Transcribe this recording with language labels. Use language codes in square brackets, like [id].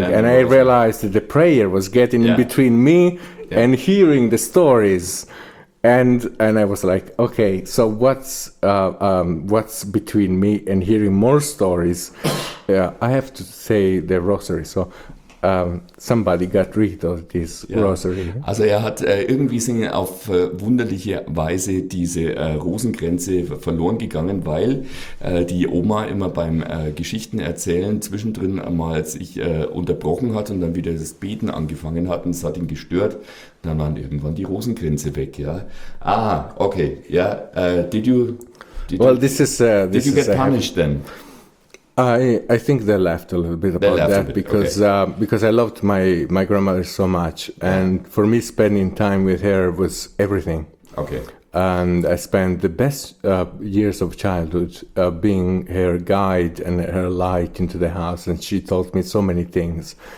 [en] Then and I realized that the prayer was getting in between me and hearing the stories. And I was like, okay, so what's between me and hearing more stories? I have to say the rosary. So somebody got rid of this rosary. [de] Also er hat irgendwie sind auf wunderliche Weise diese Rosenkränze verloren gegangen, weil die Oma immer beim Geschichten erzählen zwischendrin einmal sich unterbrochen hat und dann wieder das Beten angefangen hat und es hat ihn gestört. Dann waren irgendwann die Rosenkränze weg, ja. Ah, okay, ja. [en] Did you get punished then? I think they laughed a little bit about that because I loved my grandmother so much, and for me spending time with her was everything. Okay. And I spent the best years of childhood being her guide and her light into the house, and she taught me so many things.